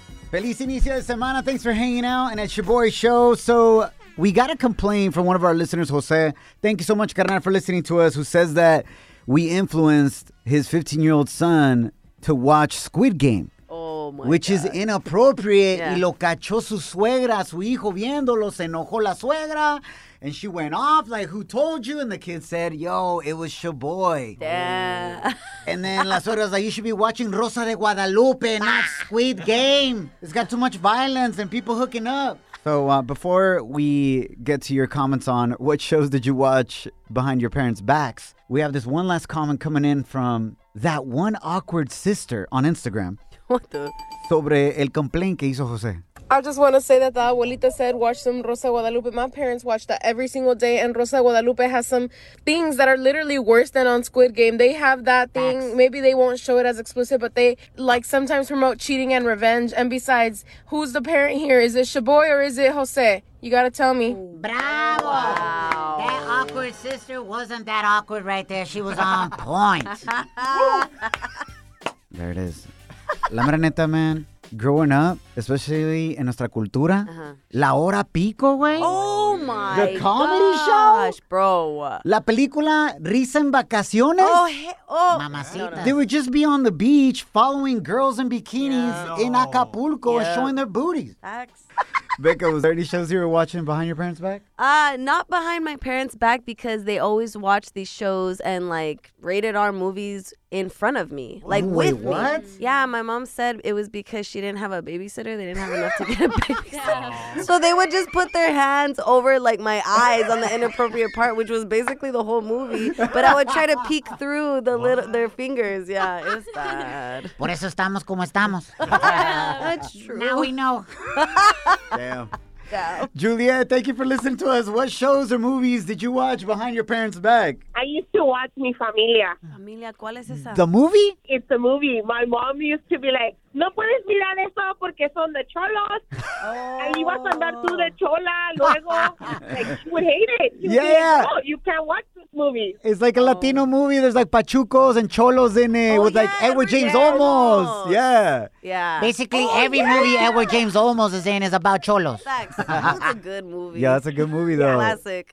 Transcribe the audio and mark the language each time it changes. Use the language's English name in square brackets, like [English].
[Spanish] Feliz inicio de semana. [English] Thanks for hanging out. And at Shaboy Show, so we got a complaint from one of our listeners, Jose. Thank you so much, carnal, for listening to us, who says that we influenced his 15-year-old son to watch Squid Game. Which is inappropriate. [Spanish] Yeah. Y lo cachó su suegra, su hijo viéndolo, se enojó la suegra. [English] And she went off, like, who told you? And the kid said, yo, it was your boy. Yeah. And then [Spanish] la suegra [English] was like, you should be watching Rosa de Guadalupe, not Squid Game. It's got too much violence and people hooking up. So before we get to your comments on what shows did you watch behind your parents' backs, we have this one last comment coming in from that one awkward sister on Instagram. What the? [Spanish] Sobre el complaint que hizo José. [English] I just want to say that the abuelita said watch some Rosa Guadalupe. My parents watch that every single day, and Rosa Guadalupe has some things that are literally worse than on Squid Game. They have that thing. Facts. Maybe they won't show it as explicit, but they like sometimes promote cheating and revenge. And besides, who's the parent here? Is it Shaboy or is it José? You got to tell me. Bravo. Wow. That awkward sister wasn't that awkward right there. She was on point. There it is. [Spanish] La mera neta, [English] man, growing up, especially in [Spanish] nuestra cultura, [English] La Hora Pico, güey. Oh, my The comedy gosh, show. Bro. [Spanish] La película Risa en Vacaciones. [English] Oh, [Spanish] mamacita. No. [English] They would just be on the beach following girls in bikinis in Acapulco and showing their booties. Facts. Becca, was there any shows you were watching behind your parents' back? Not behind my parents' back, because they always watch these shows and, like, rated R movies in front of me, like, wait, with what? Me. Yeah, my mom said it was because she didn't have a babysitter. They didn't have enough to get a babysitter. Yeah. So they would just put their hands over, like, my eyes on the inappropriate part, which was basically the whole movie. But I would try to peek through the little their fingers. Yeah, it was bad. [Spanish] Por eso estamos como estamos. [English] That's true. Now we know. Damn. Down. Juliet, thank you for listening to us. What shows or movies did you watch behind your parents' back? I used to watch Mi Familia. [Spanish] Familia, ¿cuál es esa? [English] The movie? It's a movie. My mom used to be like, [Spanish] no puedes mirar eso porque son de cholos. Oh. Y vas a andar tú de chola luego. [English] Like, she would hate it. She yeah, yeah. Like, no, you can't watch this movie. It's like a Latino movie. There's like pachucos and cholos in it like Edward James Olmos. Yeah. Yeah. Basically, every movie Edward James Olmos is in is about cholos. That's a good movie. Yeah, that's a good movie, though. Classic.